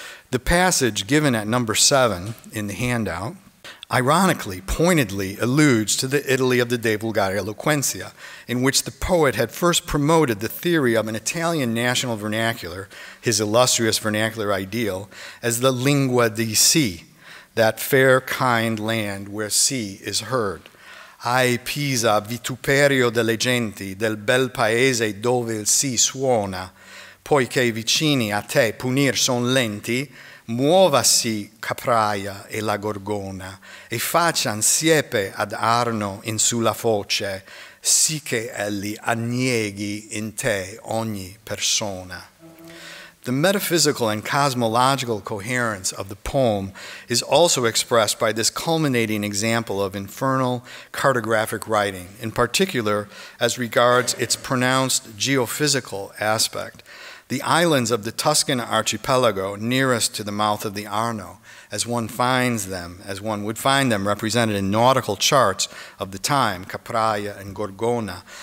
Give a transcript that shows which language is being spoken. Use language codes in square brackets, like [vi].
[en] The passage given at number 7 in the handout ironically, pointedly alludes to the Italy of the De Vulgari Eloquentia, in which the poet had first promoted the theory of an Italian national vernacular, his illustrious vernacular ideal, as the lingua di si, that fair, kind land where si is heard. [it] Ai Pisa vituperio delle genti del bel paese dove il si suona, poiché vicini a te punir son lenti, muovasi capraia e la gorgona, e facian siepe ad Arno in sulla foce, si che elli annieghi in te ogni persona. [en] The metaphysical and cosmological coherence of the poem is also expressed by this culminating example of infernal cartographic writing, in particular as regards its pronounced geophysical aspect. The islands of the Tuscan archipelago nearest to the mouth of the Arno, as one finds them, as one would find them represented in nautical charts of the time, Capraia and Gorgona,